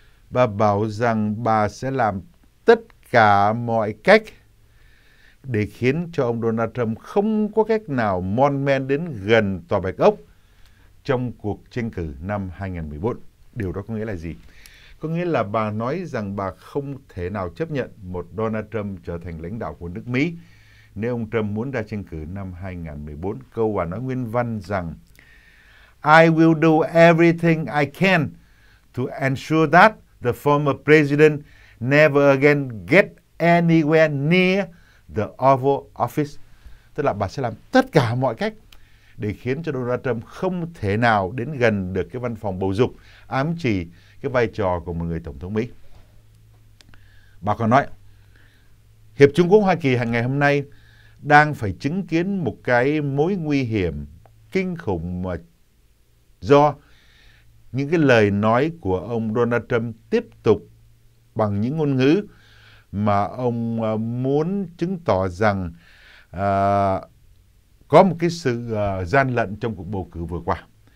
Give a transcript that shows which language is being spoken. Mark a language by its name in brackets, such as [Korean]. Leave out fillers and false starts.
[Vietnamese] Bà bảo rằng bà sẽ làm tất cả mọi cách để khiến cho ông Donald Trump không có cách nào mon men đến gần Tòa Bạch Ốc trong cuộc tranh cử năm 2014. Điều đó có nghĩa là gì? Có nghĩa là bà nói rằng bà không thể nào chấp nhận một Donald Trump trở thành lãnh đạo của nước Mỹ nếu ông Trump muốn ra tranh cử năm 2024. Câu bà nói nguyên văn rằng: [English] I will do everything I can to ensure that the former president never again get anywhere near the Oval Office. [Vietnamese] Tức là bà sẽ làm tất cả mọi cách để khiến cho Donald Trump không thể nào đến gần được cái văn phòng bầu dục, ám chỉ cái vai trò của một người Tổng thống Mỹ. Bà còn nói, Hiệp Trung Quốc Hoa Kỳ hàng ngày hôm nay đang phải chứng kiến một cái mối nguy hiểm kinh khủng mà do những cái lời nói của ông Donald Trump tiếp tục bằng những ngôn ngữ mà ông muốn chứng tỏ rằng có một cái sự gian lận trong cuộc bầu cử vừa qua.